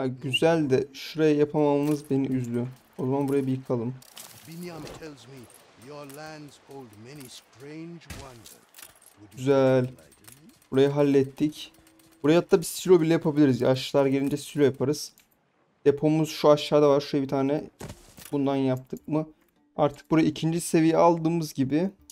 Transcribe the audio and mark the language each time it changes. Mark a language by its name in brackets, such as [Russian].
[Turkish] Ya güzel de şuraya yapamamamız beni üzdü. O zaman burayı bir yıkalım. [English] Binyam tells me your lands hold many strange wonders. [Turkish] Güzel. Burayı hallettik. Buraya hatta bir silo bile yapabiliriz. Yaşlılar gelince silo yaparız. Depomuz şu aşağıda var. Şuraya bir tane bundan yaptık mı? Artık burayı ikinci seviye aldığımız gibi.